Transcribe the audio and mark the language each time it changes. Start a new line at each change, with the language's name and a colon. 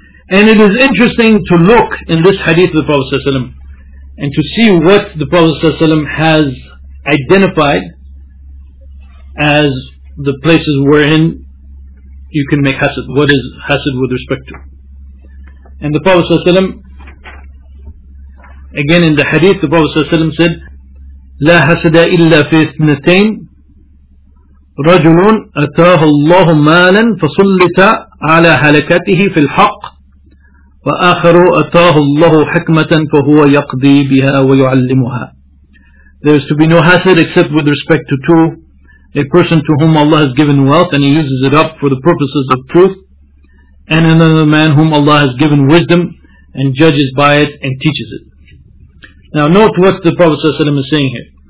English: And it is interesting to look in this hadith of the Prophet ﷺ and to see what the Prophet ﷺ has identified as the places wherein you can make hasad. What is hasad with respect to? And the Prophet ﷺ, again in the hadith, the Prophet ﷺ said,
Arabic: لا حسد إلا في اثنتين رجل أتاه الله مالا فسلط على هلكته في الحق وآخر أتاه الله حكمة فهو يقضي بها ويعلمها.
English: There is to be no hasad except with respect to two: a person to whom Allah has given wealth and he uses it up for the purposes of truth, and another man whom Allah has given wisdom and judges by it and teaches it. Now note what the Prophet ﷺ is saying here.